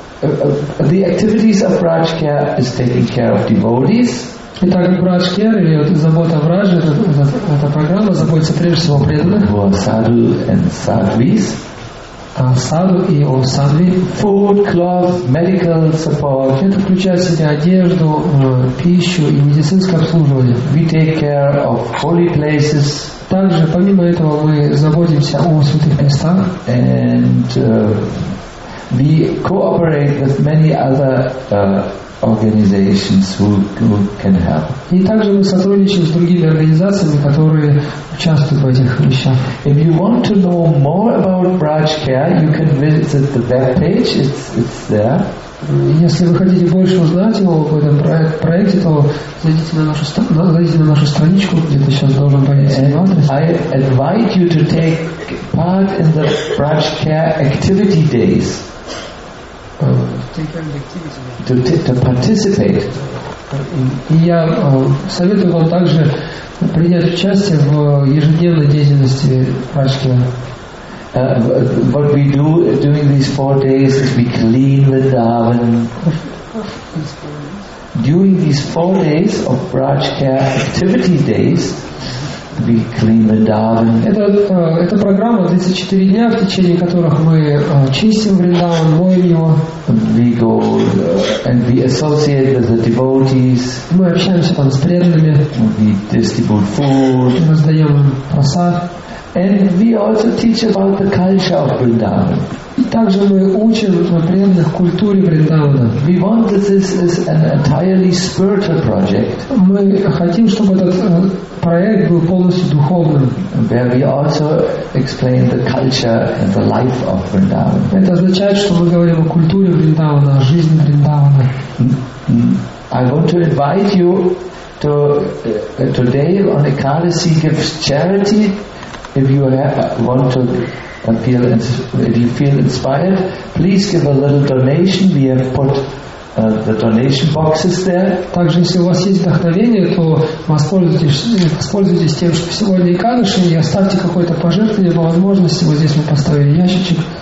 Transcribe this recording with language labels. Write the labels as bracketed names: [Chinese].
[English] The activities of Braj care is taking care of devotees. [Russian] Итак, Брадж Кер, или вот забота о Брадже, эта программа заботится прежде всего о преданных. О саду и садвис. О саду и о садви. [English] Food, cloth, medical support. [Russian] Это включает в себя одежду, пищу и медицинское обслуживание. [English] We take care of holy places. [Russian] Также, помимо этого, мы заботимся о святых местах. [English] And we cooperate with many other organizations who can help. [Russian] И также мы сотрудничаем с другими организациями, которые участвуют в этих вещах. [English] If you want to know more about Braj Care, you can visit the webpage. It's there. [Russian] Если вы хотите больше узнать об этом проекте, то зайдите на нашу страничку, где-то сейчас должен появиться адрес. [English] I invite you to take part in the Braj Care activity days. To participate. [Russian] И я советую вам также принять участие в ежедневной деятельности Брачки. [English] What we do during these 4 days is we clean Vrindavan. During these 4 days of Brajka activity days, we clean Vrindavan. [Russian] Это программа 24 дня, в течение которых мы чистим Вриндаван, моем его. [English] We go and we associate with the devotees. [Russian] Мы общаемся там с преданными. [English] We distribute food. [Russian] Мы раздаем им просад. [English] And we also teach about the culture of Vrindavan. [Russian] И также мы учим преданных культуре Вриндавана. [English] We want that this is an entirely spiritual project. [Russian] Мы хотим, чтобы этот проект был полностью духовным. [English] Where we also explain the culture and the life of Vrindavan. [Russian] Это означает, что мы говорим о культуре Вриндавана, о жизни Вриндавана. [English] I want to invite you to today on Ekadasi give charity. If you want to feel, if you feel inspired, please give a little donation. We have put the donation boxes there. [Russian] Также, если у вас есть вдохновение, то воспользуйтесь тем, что сегодня икадыши, и оставьте какое-то пожертвование по возможности. Вот здесь мы поставили ящичек.